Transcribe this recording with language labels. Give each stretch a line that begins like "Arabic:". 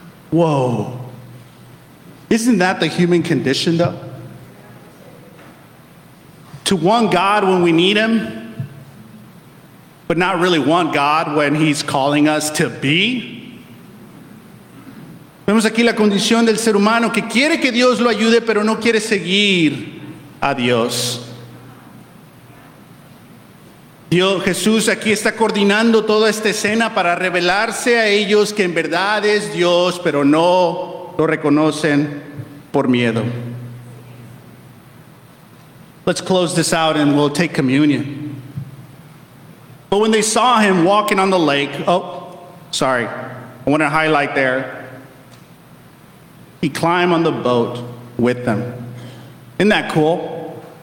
English: Whoa. Isn't that the human condition though? To want God when we need him, but not really want God when he's calling us to be.
Spanish: Vemos aquí la condición del ser humano que quiere que Dios lo ayude, pero no quiere seguir a Dios. Dios, Jesús aquí está coordinando toda esta escena para revelarse a ellos que en verdad es Dios, pero no lo reconocen por miedo.
English: Let's close this out and we'll take communion. But when they saw him walking on the lake, oh, sorry, I want to highlight there. He climbed on the boat with them. Isn't that cool?